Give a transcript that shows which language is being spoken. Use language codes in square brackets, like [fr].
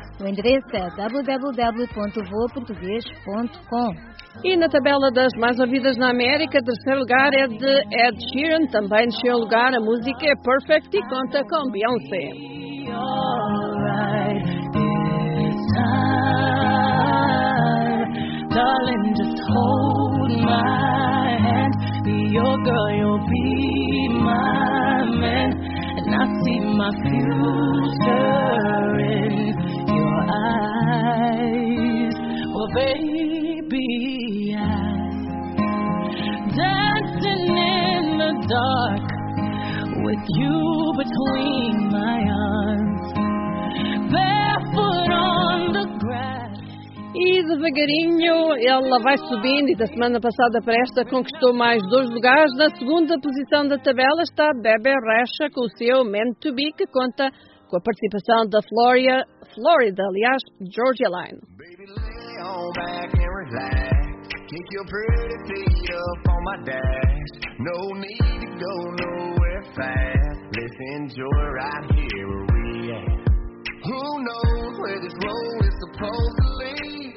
[pt] O endereço é www.voaportugues.com. E na tabela das mais ouvidas na América, terceiro lugar é de Ed Sheeran, também terceiro lugar, a música é Perfect e conta com Beyoncé. [en] Darling, just hold my hand. Be your girl, you'll be my man. And I see my future in your eyes. Well, baby, dancing in the dark with you between my arms. Barefoot on the grass. [pt] E devagarinho ela vai subindo e da semana passada para esta conquistou mais 2 lugares. Na segunda posição da tabela está Bebe Rexha com o seu Meant to Be, que conta com a participação da Florida, Georgia Line. [en] Baby, lay on back and relax. Kick your pretty feet up on my dash. No need to go nowhere fast. Let's enjoy right here where we are. Who knows where this road is supposed to lead?